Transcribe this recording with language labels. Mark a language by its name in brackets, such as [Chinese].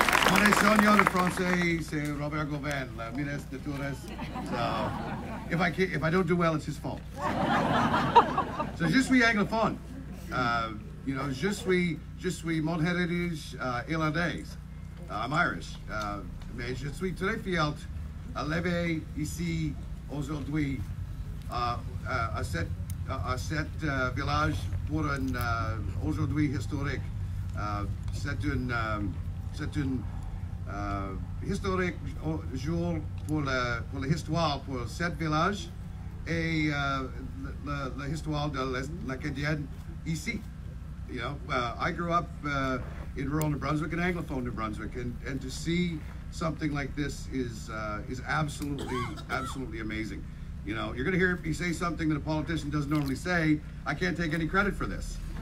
[French] Mon enseignant de français, c'est Robert Gauvin, le ministre de Tourisme. [English] So, if I don't do well, it's his fault. [French] So, je suis anglophone. [English] You know, [French] je suis mon héritage irlandais. [English] I'm Irish. [French] Mais je suis très fier à lever ici aujourd'hui à cet village pour un aujourd'hui historique. C'est un historique jour pour l'histoire pour cet village et la histoire de l'Acadienne ici. [English] You know, I grew up in rural New Brunswick and anglophone New Brunswick, and to see something like this is absolutely amazing. You know, you're gonna hear me say something that a politician doesn't normally say. I can't take any credit for this.